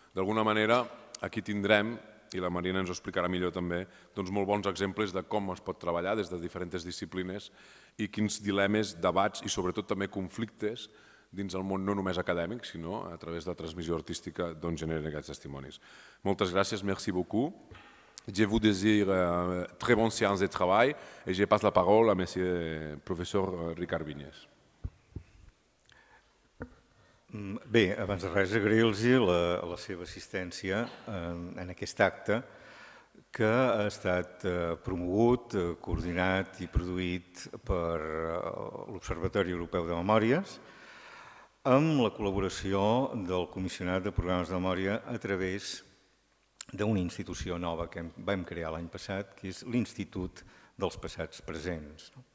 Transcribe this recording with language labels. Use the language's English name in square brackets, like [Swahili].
[Catalan] D'alguna manera, aquí tindrem, i la Marina ens ho explicarà millor també, doncs, molt bons exemples de com es pot treballar des de diferents disciplines i quins dilemes, debats i sobretot també conflictes dins el món no només acadèmic, sinó a través de la transmissió artística d'on generen aquests testimonis. Moltes gràcies, [French] merci beaucoup. Je vous désire très bonne séance de travail et je passe la parole à monsieur professeur Ricard Vinyes. [Catalan] Bé, abans de res, agrair-los la seva assistència en aquest acte que ha estat promogut, coordinat i produït per l'Observatori Europeu de Memòries, amb la col·laboració del Comissionat de Programes de Memòria a través d'una institució nova que vam crear l'any passat, que és l'Institut dels Passats Presents.